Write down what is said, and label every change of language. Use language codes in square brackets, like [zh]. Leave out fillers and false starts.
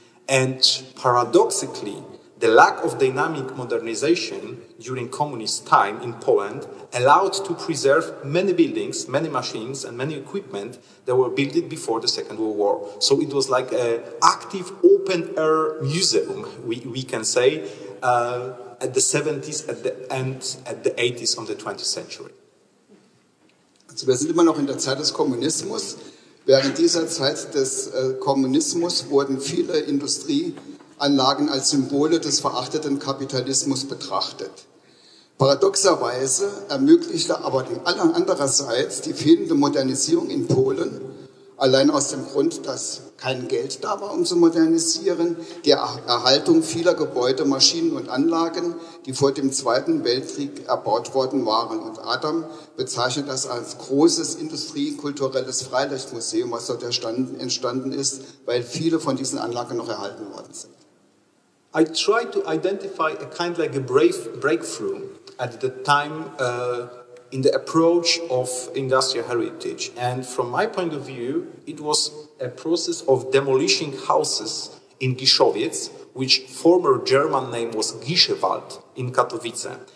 [en] And paradoxically, the lack of dynamic modernization during communist time in Poland allowed to preserve many buildings, many machines, and many equipment that were built before the Second World War. So it was like an active open-air museum, we can say, at the 70s, at the end, at the 80s of the 20th century. [de] Also, wir sind immer noch in der Zeit des Kommunismus. Während dieser Zeit des Kommunismus wurden viele Industrieanlagen als Symbole des verachteten Kapitalismus betrachtet. Paradoxerweise ermöglichte aber andererseits die fehlende Modernisierung in Polen, allein aus dem Grund, dass kein Geld da war, um zu modernisieren, die Erhaltung vieler Gebäude, Maschinen und Anlagen, die vor dem Zweiten Weltkrieg erbaut worden waren. Und Adam bezeichnet das als großes industriekulturelles Freilichtmuseum, was dort entstanden ist, weil viele von diesen Anlagen noch erhalten worden sind. [en] I try to identify a kind like a breakthrough at the time in the approach of industrial heritage. And from my point of view, it was a process of demolishing houses in Giszowiec, which former German name was Giszewald in Katowice.